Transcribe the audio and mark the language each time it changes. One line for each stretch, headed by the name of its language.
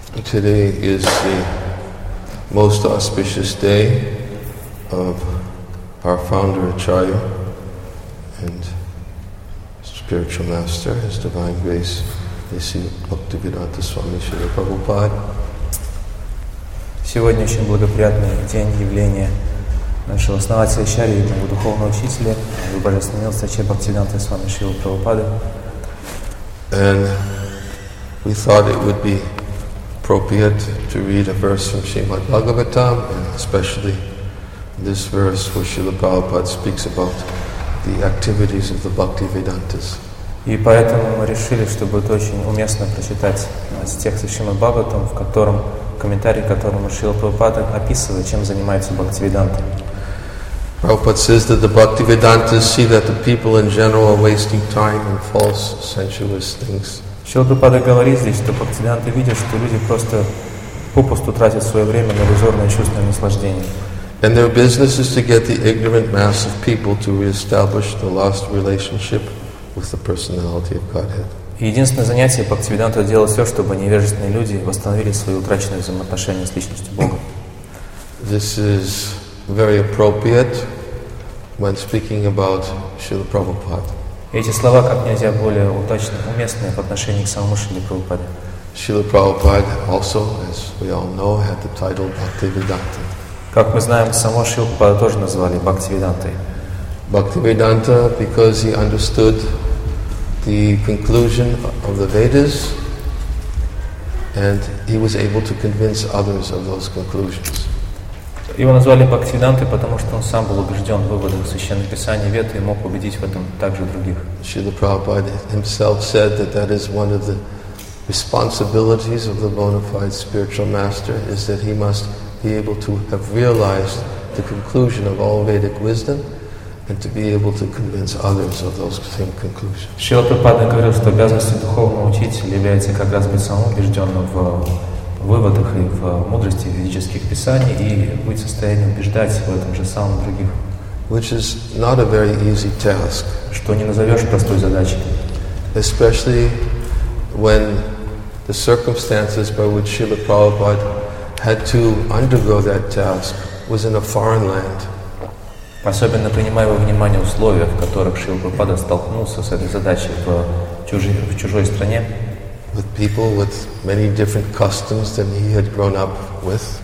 English: Today is the most auspicious day of our founder Acharya and spiritual master, His Divine Grace, Nisi Bhaktivedanta Swami Srila Prabhupada.
Russian: Сегодня очень благоприятный день явления нашего основателя Ачарьи и моего духовного учителя, Его Божественного Милости Ачарьи Бхактивиданты Свами Шрила Прабхупады.
English: And we thought it would be appropriate to read a verse from Srimad Bhagavatam, and especially this verse where Srila Prabhupada speaks about the activities of the Bhakti Vedantas.
Russian: И поэтому мы решили, что будет очень уместно прочитать текст Шримад Бхагаватам, в котором комментарий, которому Шрила Прабхупада описывает, чем занимаются Бхакти Веданты.
English: Prabhupada says that the Bhakti Vedantas see that the people in general are wasting time in false sensuous things.
Russian: Шрила Прабхупада говорит здесь, что бхактивиданты видят, что люди просто попусту тратят свое время на иллюзорное чувство наслаждения.
English: And their business is to get the ignorant mass of people to reestablish the lost relationship with the personality of Godhead.
Russian: Единственное занятие бхактивиданта делать все, чтобы невежественные люди восстановили свои утраченные взаимоотношения с личностью Бога.
English: This is very appropriate when speaking about Srila Prabhupada.
Russian: Эти слова как нельзя более удачны, уместны в отношении к самому Шриле Прабхупаде.
English: Шрила Прабхупада also, as we all know, had the title Bhaktivedanta.
Russian: Как мы знаем, самого Шрилу Прабхупаду тоже назвали Бхактивидантой.
English: Бхактивиданта, because he understood the conclusion of the Vedas, and he was able to convince others of those conclusions.
Russian: Его назвали Бхактивидантой, потому что он сам был убежден в выводах Священного Писания Веды и мог убедить в этом также других.
English: Шрила Прабхупада himself said that that is one of the responsibilities of the bona fide spiritual master, is that he must be able to have realized the conclusion of all Vedic wisdom and to be able to convince others of those same conclusions.
Russian: Шрила Прабхупада говорил, что обязанностью духовного учителя является как раз быть самым убежденным в выводах и в мудрости ведических писаний и быть в состоянии убеждать в этом же самом других.
English: Which is not a very easy task.
Russian: Что не назовешь простой задачей.
English: Especially when the circumstances by which Srila Prabhupada had to undergo that task was in a foreign land.
Russian: Особенно принимая во внимание условия, в которых Шрила Прабхупада столкнулся с этой задачей в чужой стране.
English: With people with many different customs than he had grown up with.